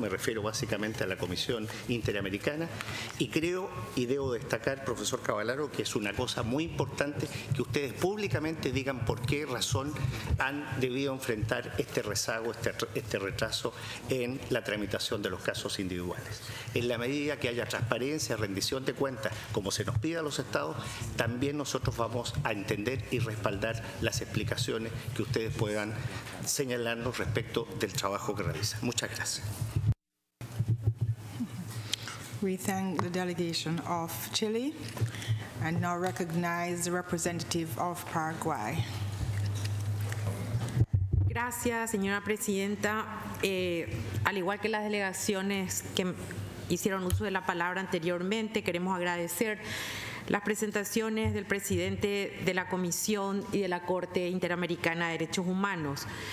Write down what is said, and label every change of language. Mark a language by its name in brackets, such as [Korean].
[Spanish] Me refiero básicamente a la Comisión Interamericana. Y creo y debo destacar, profesor Cavallaro, que es una cosa muy importante que ustedes públicamente digan por qué razón han debido enfrentar este rezago, este retraso en la tramitación de los casos individuales. En la medida que haya transparencia, rendición de cuentas, como se nos pide a los estados, también nosotros vamos a entender y respaldar las explicaciones que ustedes puedan señalarnos respecto del trabajo que realizan. Muchas gracias. [English] We thank the delegation of Chile and now recognize the representative of Paraguay. [Spanish] Gracias, señora presidenta. Al igual que las delegaciones que hicieron uso de la palabra anteriormente, queremos agradecer las presentaciones del presidente de la Comisión y de la Corte Interamericana de Derechos Humanos.